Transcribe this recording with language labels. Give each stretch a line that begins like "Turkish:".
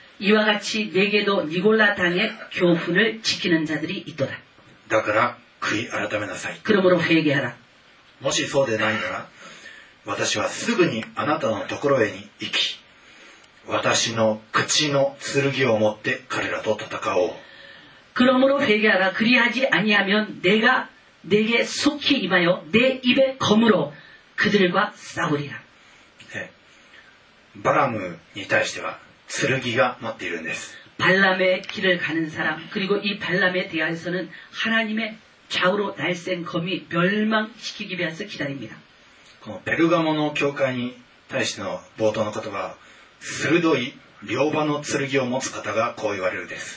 Korean: 이와같이내게도니골라당의교훈을지키는자들이있더라。
Japanese: だから悔い改めなさい。
Korean: 그러므로회개하라。
Japanese: もしそうでないなら私はすぐにあなたのところへに行き私の口の剣を持って彼らと戦おう。
Korean: 그러므로회개하라。 그리하지아니하면내가내게속히임하여내입에검으로그들과싸우리라。 네、
Japanese: バラムに対しては剣が待っているんです。
Korean: 발람의길을가는사람그리고이발람에대해서는하나님의좌우로날쌘검이멸망시키기위해서기다립니다。
Japanese: このペルガモの教会に対しての冒頭の言葉は鋭い両刃の剣を持つ方がこう言われるです。